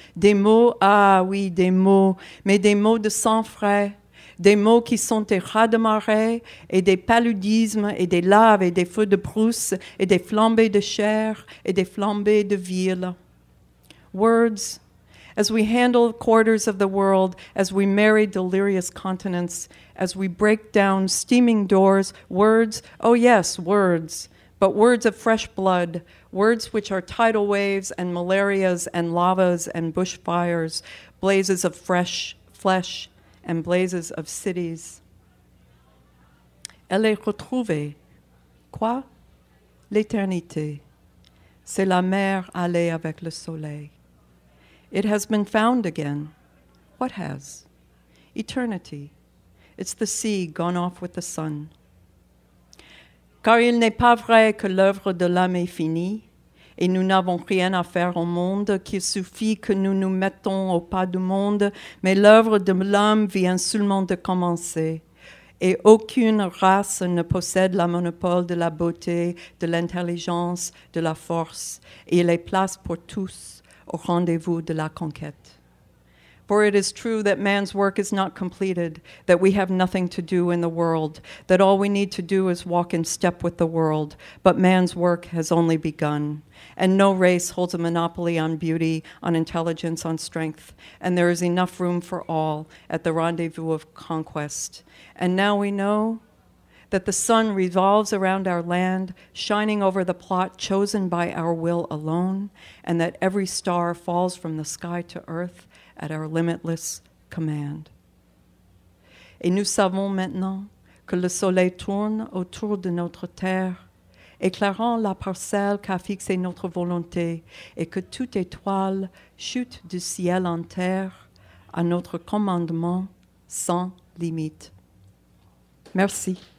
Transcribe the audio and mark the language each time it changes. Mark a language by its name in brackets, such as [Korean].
[French] Des mots, ah oui, des mots, mais des mots de sang frais. Des mots qui sont des rats de marée, et des paludismes, et des laves, et des feux de brousse, et des flambées de chair, et des flambées de ville. [English] Words, as we handle quarters of the world, as we marry delirious continents, as we break down steaming doors, words, oh yes, words, but words of fresh blood, words which are tidal waves and malarias and lavas and bushfires, blazes of fresh flesh and blazes of cities. [French] Elle est retrouvée. Quoi? L'éternité. C'est la mer allée avec le soleil. [English] It has been found again. What has? Eternity. It's the sea gone off with the sun. [French] Car il n'est pas vrai que l'œuvre de l'âme est finie, et nous n'avons rien à faire au monde, qu'il suffit que nous nous mettons au pas du monde, mais l'œuvre de l'âme vient seulement de commencer. Et aucune race ne possède la monopole de la beauté, de l'intelligence, de la force. Il est place pour tous au rendez-vous de la conquête. [English] For it is true that man's work is not completed, that we have nothing to do in the world, that all we need to do is walk in step with the world. But man's work has only begun. And no race holds a monopoly on beauty, on intelligence, on strength. And there is enough room for all at the rendezvous of conquest. And now we know that the sun revolves around our land, shining over the plot chosen by our will alone, and that every star falls from the sky to earth at our limitless command. [French] Et nous savons maintenant que le soleil tourne autour de notre terre, éclairant la parcelle qu'a fixée notre volonté, et que toute étoile chute du ciel en terre à notre commandement sans limite. Merci.